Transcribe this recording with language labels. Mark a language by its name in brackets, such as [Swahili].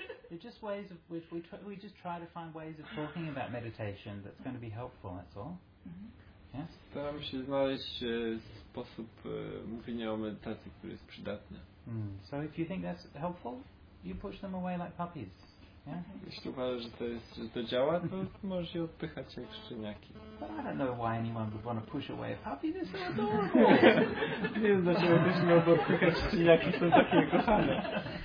[English] They're just ways of which we just try to find ways of talking about meditation that's going to be helpful, that's all. Mm-hmm. Yes? [Polish] Staram się znaleźć sposób mówienia o medytacji, który jest przydatny. [English] So if you think that's helpful, you push them away like puppies. Yeah? [Polish] Jeśli uważasz, że to działa, to możesz je odpychać jak szczeniaki. [English] But I don't know why anyone would want to push away a puppy. They're so adorable. [Polish] Nie wiem, dlaczego byś miał odpychać szczeniaki, są takie kochane.